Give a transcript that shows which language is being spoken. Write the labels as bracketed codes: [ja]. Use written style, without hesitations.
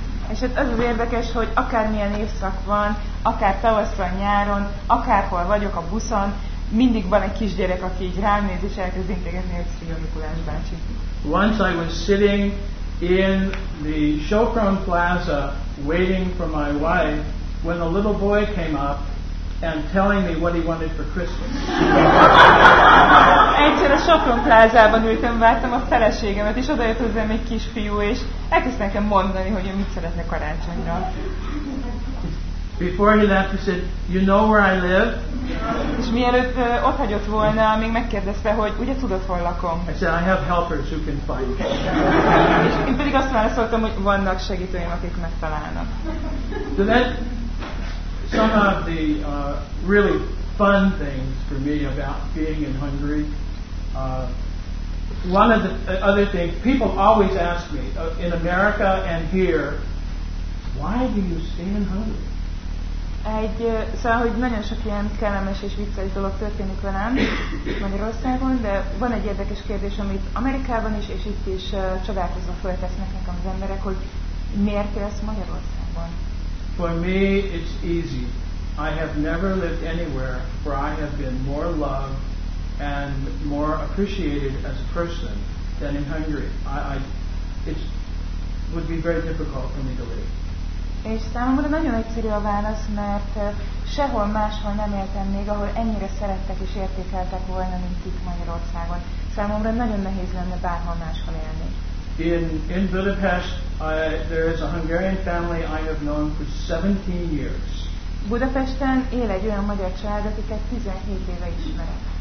[hu] És hát az az érdekes, hogy akármilyen évszak van, akár tavaszra, nyáron, akárhol vagyok a buszon, mindig van egy kisgyerek, aki így rám néz és elkezd integetni, hogy "Szia, Mikolás bácsi." [en] Once I was sitting in the Showfront Plaza waiting for my wife, when a little boy came up and telling me what he wanted for Christmas. [hu] Egyszer a Showfront Plázában ültem, vártam a feleségemet, és odajött hozzám egy kisfiú, és elkezd nekem mondani, hogy ő mit szeretne karácsonyra. [en] Before he left, he said, "You know where I live?" [hu] És mielőtt ott hagyott volna, még megkérdezte, hogy ugye tudod, hol lakom? [en] I said, "I have helpers who can find you." [hu] És én pedig azt válaszoltam, hogy vannak segítőim, akik megtalálnak. [en] So that some of the really fun things for me about being in Hungary. One of the other things people always ask me in America and here, why do you stay in Hungary? [hu] Egy, szóval, hogy nagyon sok ilyen kellemes és vicces dolog történik velem Magyarországon, de van egy érdekes kérdés, amit Amerikában is, és itt is csodálkozva föltesznek nekem az emberek, hogy miért élsz Magyarországon? [en] For me, it's easy. I have never lived anywhere where I have been more loved and more appreciated as a person than in Hungary. It would be very difficult for me to leave. [hu] És számomra nagyon egyszerű a válasz, mert sehol máshol nem éltem még, ahol ennyire szerettek és értékeltek volna, mint itt Magyarországon. Számomra nagyon nehéz lenne bárhol máshol élni. [en] In Budapest, there is a Hungarian family I have known for 17 years. [hu] Budapesten él egy olyan magyar család, akiket 17 éve ismerek.